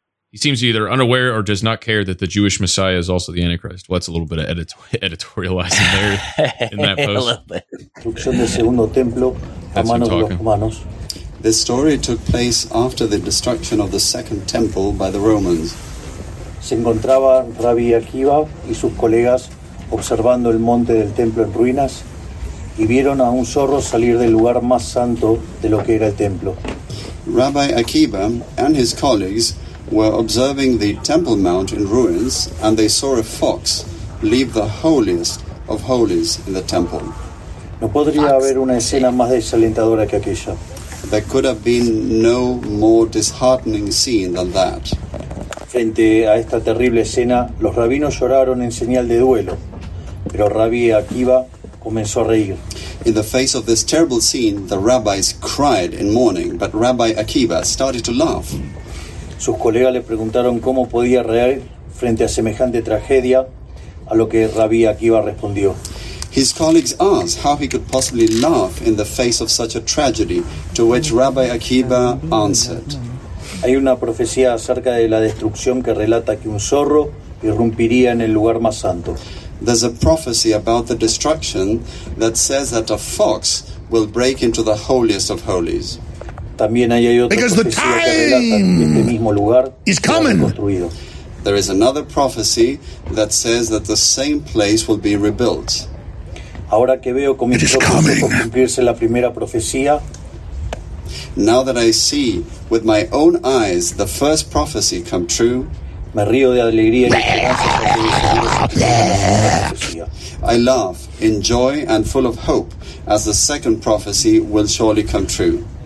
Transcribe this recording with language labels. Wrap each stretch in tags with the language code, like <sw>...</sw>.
<en>He seems either unaware or does not care that the Jewish Messiah is also the Antichrist. Well, that's a little bit of editorializing there in that post. This story took place after the destruction of the second temple by the Romans.</en> <es>Se encontraba Rabbi Akiva y sus colegas observando el monte del templo en ruinas y vieron a un zorro salir del lugar más santo de lo que era el templo.</es> <en>Rabbi Akiva and his colleagues were observing the Temple Mount in ruins, and they saw a fox leave the holiest of holies in the temple.</en> <es>No podría haber una escena más desalentadora que aquella.</es> <en>There could have been no more disheartening scene than that.</en> <es>Frente a esta terrible escena, los rabinos lloraron en señal de duelo, pero Rabbi Akiva comenzó a reír.</es> <en>In the face of this terrible scene, the rabbis cried in mourning, but Rabbi Akiva started to laugh.</en> <es>Sus colegas le preguntaron cómo podía reír frente a semejante tragedia, a lo que Rabbi Akiva respondió.</es> <en>His colleagues asked how he could possibly laugh in the face of such a tragedy, to which Rabbi Akiva answered.</en> <es>Hay una profecía acerca de la destrucción que relata que un zorro irrumpiría en el lugar más santo.</es> <en>There's a prophecy about the destruction that says that a fox will break into the holiest of holies.</en> <es>También hay otra</es> <en>because the time</en> <es>que relata que este mismo lugar</es> <en>is coming. There is another prophecy that says that the same place will be rebuilt.</en> <es>Ahora que veo comenzó a cumplirse la primera profecía.</es> <en>Now that I see with my own eyes the first prophecy come true,</en> <es>me río de alegría y esperanza.</es> <en>I laugh in joy and full of hope as the second prophecy will surely come true.</en>